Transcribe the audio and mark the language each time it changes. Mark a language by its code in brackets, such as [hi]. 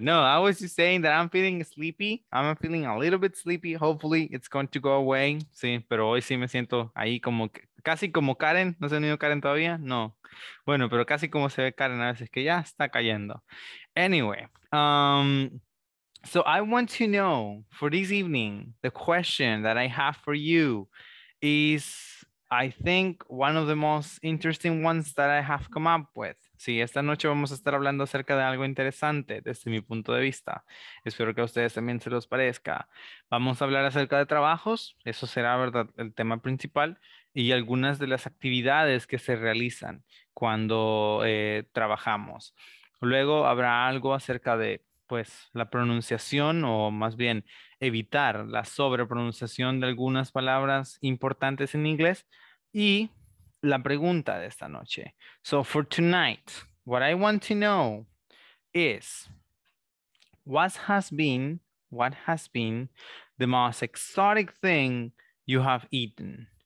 [en] No, I was just saying that I'm feeling sleepy. I'm feeling a little bit sleepy. Hopefully it's going to go away. [es] Sí, pero hoy sí me siento ahí como casi como Karen. ¿No se ha unido Karen todavía? No. Bueno, pero casi como se ve Karen a veces, que ya está cayendo. Anyway, so I want to know for this evening, the question that I have for you is, I think, one of the most interesting ones that I have come up with. Sí, esta noche vamos a estar hablando acerca de algo interesante desde mi punto de vista. Espero que a ustedes también se los parezca. Vamos a hablar acerca de trabajos. Eso será, verdad, el tema principal. Y algunas de las actividades que se realizan cuando trabajamos. Luego habrá algo acerca de, pues, la pronunciación, o más bien evitar la sobrepronunciación de algunas palabras importantes en inglés, y la pregunta de esta noche. [en] So for tonight, what I want to know is, what has been the most exotic thing you have eaten?